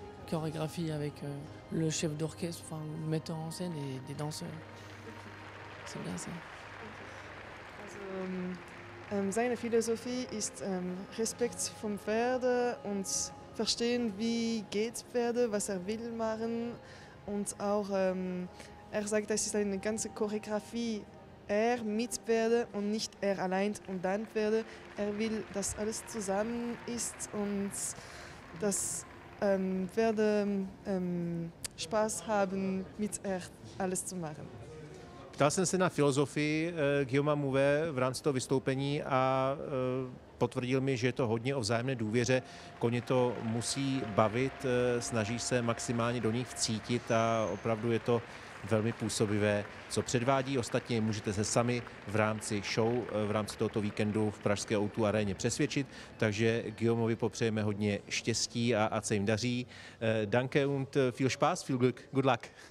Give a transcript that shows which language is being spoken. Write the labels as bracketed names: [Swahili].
[French] Chorégraphie avec le chef d'orchestre, enfin, le metteur en scène et des danseurs. C'est bien ça. [German] Also, seine Philosophie ist Respekt vom Pferde und verstehen, wie geht Pferde, was will machen. Und auch, sagt, das ist eine ganze Choreografie. Mit Pferde und nicht allein und dann Pferde. Will, dass alles zusammen ist und dass Pferde Spaß haben, mit alles zu machen. [Czech] Ptal jsem se na filozofii Guillauma Mouve v rámci toho vystoupení a potvrdil mi, že je to hodně o vzájemné důvěře. Koně to musí bavit, snaží se maximálně do nich vcítit a opravdu je to velmi působivé, co předvádí. Ostatně můžete se sami v rámci show, v rámci tohoto víkendu v pražské O2 aréně přesvědčit. Takže Guillaumovi popřejeme hodně štěstí a ať se jim daří. [German] Danke und viel Spaß, viel Glück, [English] good luck.